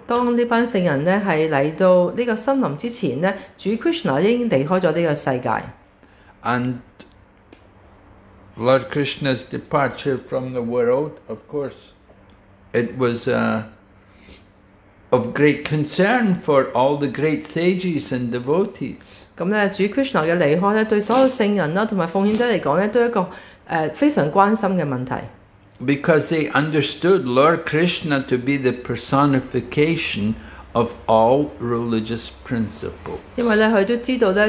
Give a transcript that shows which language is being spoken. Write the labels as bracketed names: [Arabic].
[Cantonese] 當呢班聖人呢喺嚟到呢個森林之前呢, 主 Krishna 已經離開咗呢個世界。 [English] And Lord Krishna's departure from the world, of course, it was of great concern for all the great sages and devotees. [Cantonese] 咁呢, 主 Krishna嘅離開呢, 對所有聖人啦同埋奉獻者嚟講呢都一個 非常關心嘅問題。 [English] Because they understood Lord Krishna to be the personification of all religious principles.